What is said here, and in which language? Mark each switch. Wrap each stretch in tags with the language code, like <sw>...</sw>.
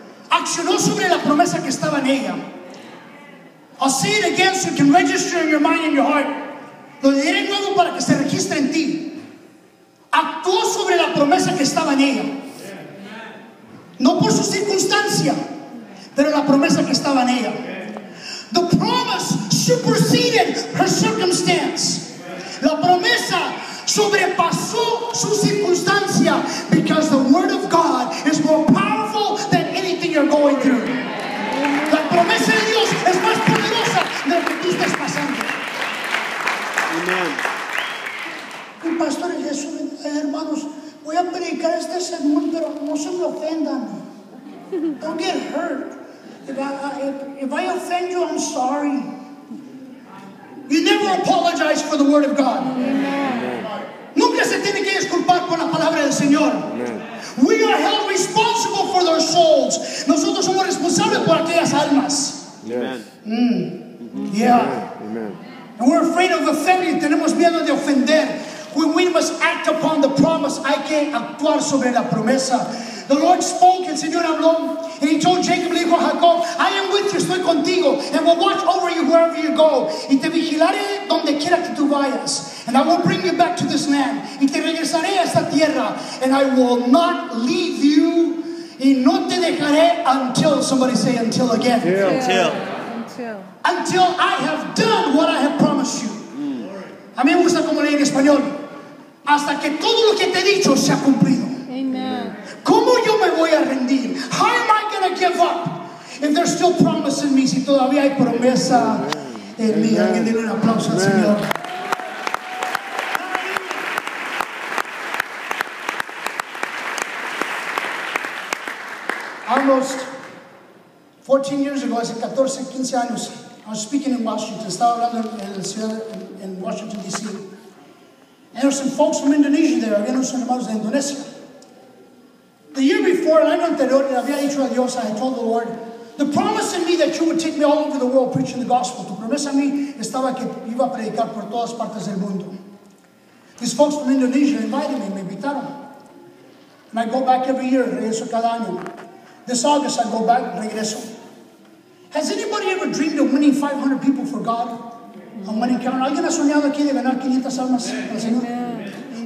<es>Accionó sobre la promesa que estaba en ella.</es> <en>I'll say it again so it can register in your mind and your heart.</en> <es>Lo diré nuevo para que se registre en ti. Actuó sobre la promesa que estaba en ella. No por su circunstancia, pero la promesa que estaba en ella.</es> <en>The promise superseded her circumstance.</en> <es>La promesa sobrepasó su circunstancia</es> <en>because the word of God is more powerful than anything you're going through.</en> <es>La promesa de Dios es más poderosa de lo que tú estás pasando.</es> <en>Amen.</en> <es>Mi pastor es Jesús, hermanos, voy a predicar este sermón, pero no se me ofendan.</es> <en>Don't get hurt. If I offend you, I'm sorry. You never apologize for the word of God. Amen.</en> <es>Nunca se tiene que disculpar por la palabra del Señor.</es> <en>Amen. We are held responsible for their souls.</en> <es>Nosotros somos responsables por aquellas almas.</es> <en>Yes. Mm. Mm-hmm. Yeah. Amen. And we're afraid of offending.</en> <es>Tenemos miedo de ofender.</es> <en>When we must act upon the promise,</en> <es>hay que actuar sobre la promesa.</es> <en>The Lord spoke,</en> <es>el Señor habló,</es> <en>and he told Jacob,</en> <es>le dijo a Jacob,</es> <en>I am with you,</en> <es>estoy contigo,</es> <en>and will watch over you wherever you go,</en> <es>y te vigilaré donde quiera que tú vayas,</es> <en>and I will bring you back to this land,</en> <es>y te regresaré a esta tierra,</es> <en>and I will not leave you,</en> <es>y no te dejaré</es> <en>until, somebody say until again. Until I have done what I have promised you.</en> <es>A mí me gusta como leí en español, hasta que todo lo que te he dicho se ha cumplido. ¿Cómo yo me voy a rendir?</es> <en>How am I going to give up if there's still promise in me?</en> <es>Si todavía hay promesa en mí. Alguien denle un aplauso al Señor.</es> <en>Almost 14 years ago,</en> <es>hace 14, 15 años,</es> <en>I was speaking in Washington.</en> <es>Estaba hablando en la ciudad en Washington, D.C.</es> <en>And there were some folks from Indonesia there.</en> <es>Había unos hermanos de Indonesia.</es> <en>The year before,</en> <es>el año anterior, le había dicho a Dios,</es> <en>I told the Lord, the promise in me that you would take me all over the world preaching the gospel.</en> <es>Tu promesa a mí estaba que iba a predicar por todas partes del mundo.</es> <en>These folks from Indonesia invited me,</en> <es>me invitaron.</es> <en>And I go back every year,</en> <es>regreso cada año.</es> <en>This August, I go back,</en> <es>regreso.</es> <en>Has anybody ever dreamed of winning 500 people for God? A money count?</en> <es>¿Alguien ha soñado aquí de ganar 500 almas al Señor?</es>